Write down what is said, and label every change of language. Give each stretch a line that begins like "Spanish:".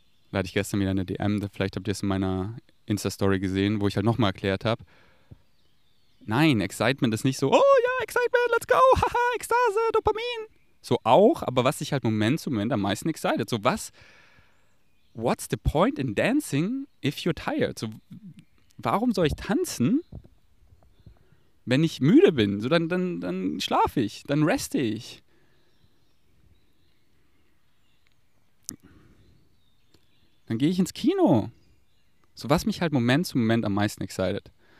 German: Da hatte ich gestern wieder eine DM, vielleicht habt ihr es in meiner Insta-Story gesehen, wo ich halt nochmal erklärt habe, nein, Excitement ist nicht so, oh ja, Excitement,
English: let's go,
German: haha, Ekstase, Dopamin. So auch, aber was sich halt Moment zu Moment am meisten excited.
English: So was, what's the point in dancing if you're tired?
German: So warum soll ich tanzen, wenn ich müde bin? So dann schlafe ich, dann reste ich. Dann gehe ich ins Kino. So was mich halt Moment zu Moment am meisten excited.